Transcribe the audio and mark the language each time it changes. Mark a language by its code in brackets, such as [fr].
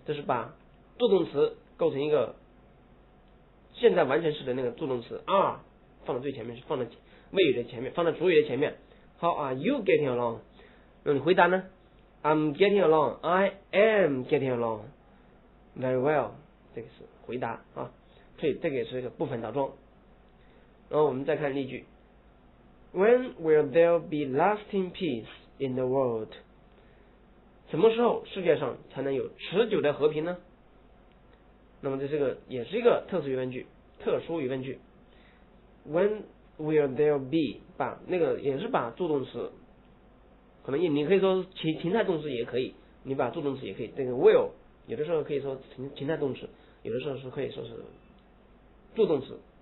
[zh] 这是把助动词构成一个现在完成时的那个助动词 are 放在最前面，是放在谓语的前面，放在主语的前面。 [en] How are you getting along? [zh] 那你回答呢？ [en] I'm getting along. I am getting along. Very well. [zh] 这个是回答啊，所以这个也是一个部分倒装。然后我们再看例句。 [en] When will there be lasting peace in the world? [zh] 什么时候世界上才能有持久的和平呢？那么这是个也是一个特殊疑问句，特殊疑问句。 [en] When will there be [zh] 把那个也是把助动词，可能你可以说情态动词也可以，你把助动词也可以。这个 will 有的时候可以说情态动词，有的时候是可以说是助动词。